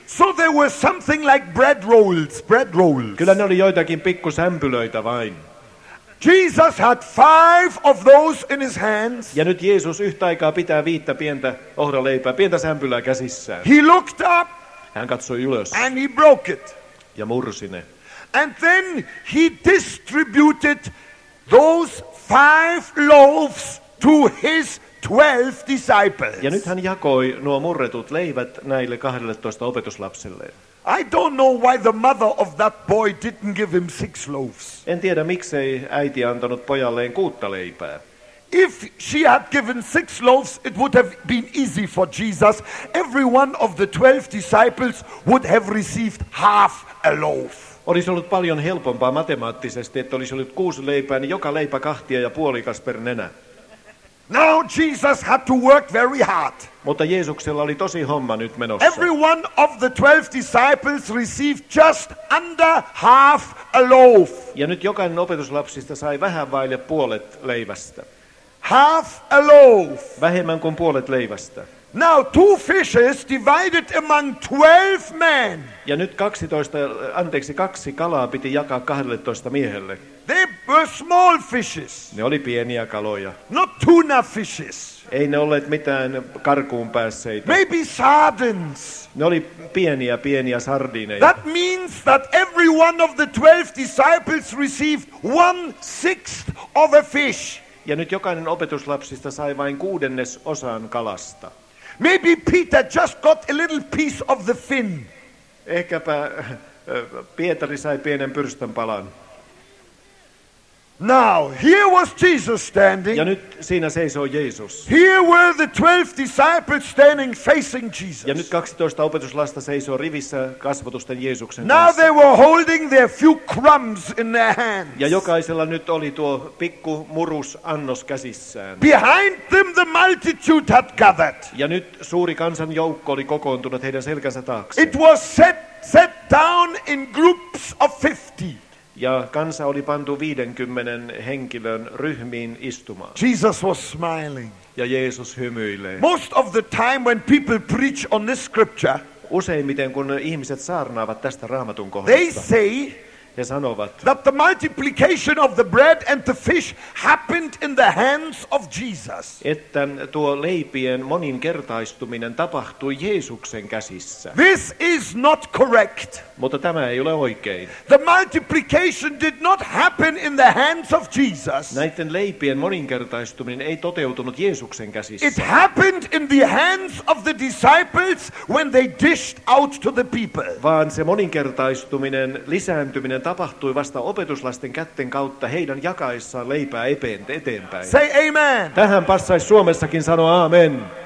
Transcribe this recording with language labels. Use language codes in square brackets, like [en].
[en] So there were something like bread rolls. [fi] Kyllä ne oli joitakin pikkusämpylöitä vain. [en] Jesus had 5 of those in his hands. [fi] Ja nyt Jeesus yhtä aikaa pitää 5 pientä ohraleipää, pientä sämpylää käsissään. [en] He looked up. [fi] Hän katsoi ylös. [en] And he broke it. [fi] Ja mursi ne. [en] And then he distributed those 5 loaves to his 12 disciples. [fi] Ja nyt hän jakoi nuo murretut leivät näille 12 opetuslapselleen. [en] I don't know why the mother of that boy didn't give him 6 loaves. [fi] En tiedä miksei äiti antanut pojalleen 6 leipää. [en] If she had given 6 loaves, it would have been easy for Jesus. Every one of the 12 disciples would have received 1/2 loaf. [fi] Olisi ollut paljon helpompaa matemaattisesti, että olisi ollut 6 leipää, niin joka leipä 2.5 per nenä. [en] Now Jesus had to work very hard. [fi] Mutta Jeesuksella oli tosi homma nyt menossa. [en] Every one of the 12 disciples received just under 1/2 loaf. [fi] Ja nyt jokainen opetuslapsista sai vähän vaille 1/2 leivästä. [en] 1/2 loaf. [fi] Vähemmän kuin 1/2 leivästä. [en] Now 2 fishes divided among 12 men. [fi] Ja nyt 2 kalaa piti jakaa 12 miehelle. [en] They were small fishes. [fi] Ne oli pieniä kaloja. [en] Not tuna fishes. [fi] Ei ne olleet mitään karkuun päässeitä. [en] Maybe sardines. [fi] Ne oli pieniä sardineja. [en] That means that every one of the 12 disciples received 1/6 of a fish. [fi] Ja nyt jokainen opetuslapsista sai vain 1/6 kalasta. [en] Maybe Peter just got a little piece of the fin. [fi] Ehkäpä Pietari sai pienen pyrstön palan. [en] Now, here was Jesus standing. [fi] Ja nyt siinä seisoo Jeesus. [en] Here were the 12 disciples standing facing Jesus. [fi] Ja nyt 12 opetuslasta seisoo rivissä kasvotusten Jeesuksen kanssa. [en] Now they were holding their few crumbs in their hands. [fi] Ja jokaisella nyt oli tuo pikku murus annos käsissään. [en] Behind them the multitude had gathered. [fi] Ja nyt suuri kansan joukko oli kokoontunut heidän selkänsä taakse. [en] It was set down in groups of 50. [fi] Ja kansa oli pantu 50 henkilön ryhmiin istumaan. [en] Jesus was smiling. [fi] Ja Jeesus hymyilee. [en] Most of the time when people preach on this scripture, [fi] useimmiten kun ihmiset saarnaavat tästä Raamatun kohdasta, [en] they say, [fi] he sanovat, [en] that the multiplication of the bread and the fish happened in the hands of Jesus. [fi] Että tuo leipien moninkertaistuminen tapahtui Jeesuksen käsissä. [en] This is not correct. [fi] Mutta tämä ei ole oikein. [en] The multiplication did not happen in the hands of Jesus. [fi] Näiden leipien moninkertaistuminen ei toteutunut Jeesuksen käsissä. [en] It happened in the hands of the disciples when they dished out to the people. [fi] Vaan se moninkertaistuminen, lisääntyminen tapahtui vasta opetuslasten kätten kautta heidän jakaessaan leipää eteenpäin. [en] Say amen. [fi] Tähän passaisi Suomessakin sanoa amen.